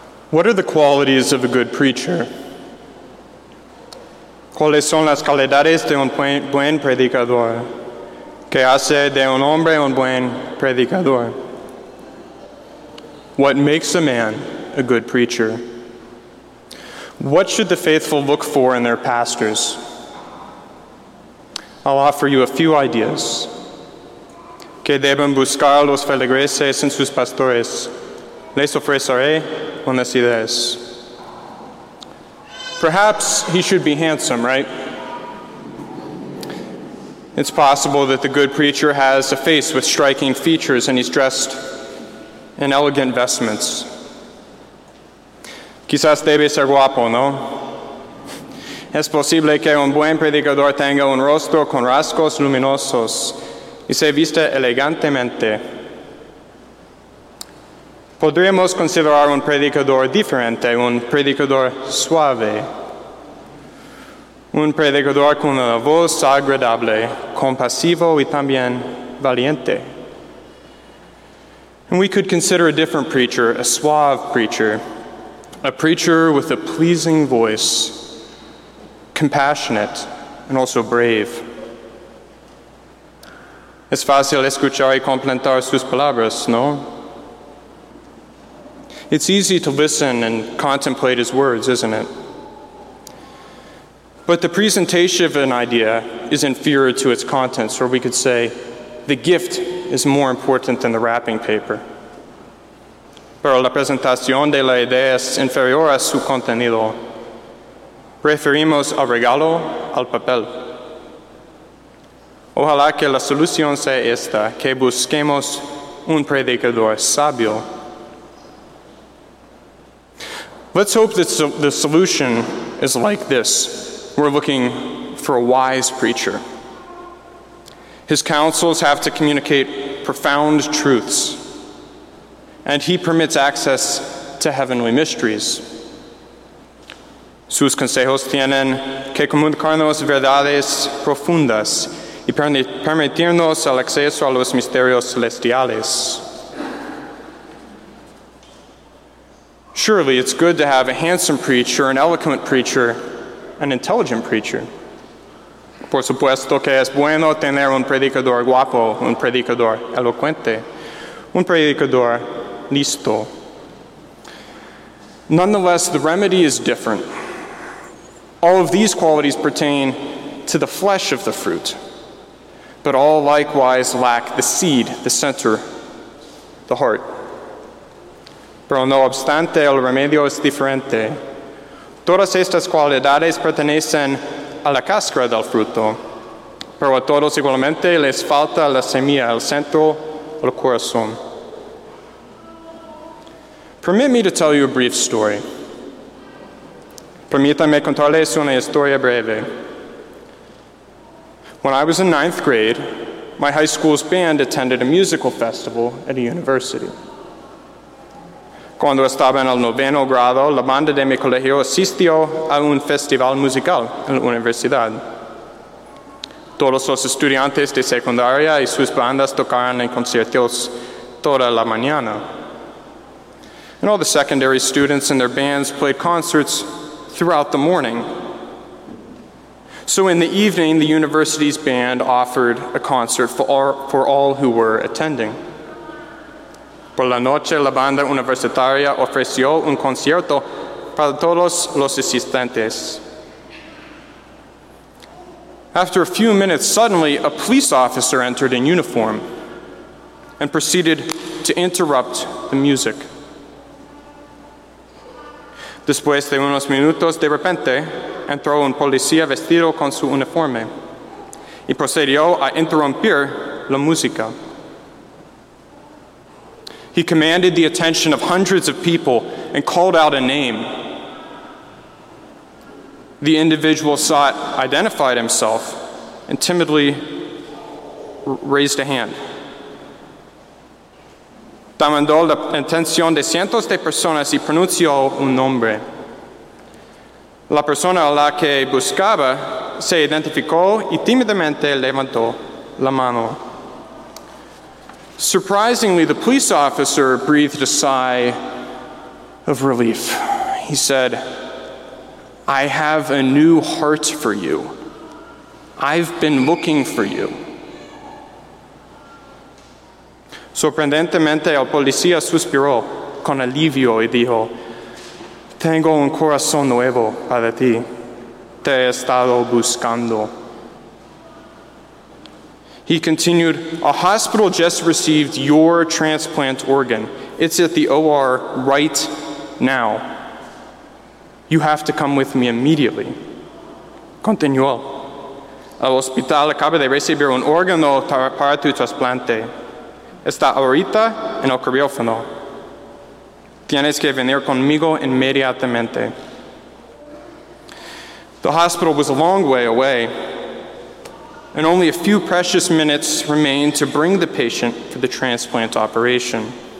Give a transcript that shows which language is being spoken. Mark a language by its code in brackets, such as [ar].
[en] What are the qualities of a good preacher? [es] ¿Cuáles son las cualidades de un buen predicador? ¿Qué hace de un hombre un buen predicador? [en] What makes a man a good preacher? What should the faithful look for in their pastors? I'll offer you a few ideas. [es] ¿Qué deben buscar los feligreses en sus pastores? Les ofreceré unas ideas. [en] Perhaps he should be handsome, right? It's possible that the good preacher has a face with striking features and he's dressed in elegant vestments. [es] Quizás debe ser guapo, ¿no? Es posible que un buen predicador tenga un rostro con rasgos luminosos y se vista elegantemente. Podríamos considerar un predicador diferente, un predicador suave. Un predicador con una voz agradable, compasivo y también valiente. [en] And we could consider a different preacher, a suave preacher. A preacher with a pleasing voice, compassionate, and also brave. [es] Es fácil escuchar y comprender sus palabras, ¿no? [en] It's easy to listen and contemplate his words, isn't it? But the presentation of an idea is inferior to its contents, or we could say, the gift is more important than the wrapping paper. [es] Pero la presentación de la idea es inferior a su contenido. Preferimos al regalo al papel. Ojalá que la solución sea esta, que busquemos un predicador sabio. [en] Let's hope that the solution is like this. We're looking for a wise preacher. His counsels have to communicate profound truths. And he permits access to heavenly mysteries. [es] Sus consejos tienen que comunicarnos verdades profundas y permitirnos el acceso a los misterios celestiales. [en] Surely it's good to have a handsome preacher, an eloquent preacher, an intelligent preacher. [es] Por supuesto que es bueno tener un predicador guapo, un predicador elocuente, un predicador listo. [en] Nonetheless, the remedy is different. All of these qualities pertain to the flesh of the fruit, but all likewise lack the seed, the center, the heart. [es] Pero no obstante, el remedio es diferente. Todas estas cualidades pertenecen a la cáscara del fruto, pero a todos igualmente les falta la semilla, el centro, el corazón. [en] Permit me to tell you a brief story. [es] Permítame contarles una historia breve. [en] When I was in 9th grade, my high school's band attended a musical festival at a university. [es] Cuando estaba en el [en] 9th grade, [es] la banda de mi colegio asistió a un festival musical en la universidad. Todos los estudiantes de secundaria y sus bandas tocaron en conciertos toda la mañana. [en] And all the secondary students and their bands played concerts throughout the morning. So in the evening, the university's band offered a concert for all who were attending. [es] Por la noche, la banda universitaria ofreció un concierto para todos los asistentes. [en] After a few minutes, suddenly, a police officer entered in uniform and proceeded to interrupt the music. [es] Después de unos minutos, de repente, entró un policía vestido con su uniforme y procedió a interrumpir la música. [en] He commanded the attention of hundreds of people and called out a name. The individual sought, identified himself, and timidly raised a hand. [es] Demandó la atención de cientos de personas y pronunció un nombre. La persona a la que buscaba se identificó y tímidamente levantó la mano. [en] Surprisingly, the police officer breathed a sigh of relief. He said, I have a new heart for you. I've been looking for you. [es] Sorprendentemente, el policía suspiró con alivio y dijo, Tengo un corazón nuevo para ti. Te he estado buscando. [en] He continued, A hospital just received your transplant organ. It's at the OR right now. You have to come with me immediately. [es] Continuó. El hospital acaba de recibir un órgano para tu trasplante. Está ahorita en el quirófano. Tienes que venir conmigo inmediatamente. [en] The hospital was a long way away, and only a few precious minutes remained to bring the patient for the transplant operation.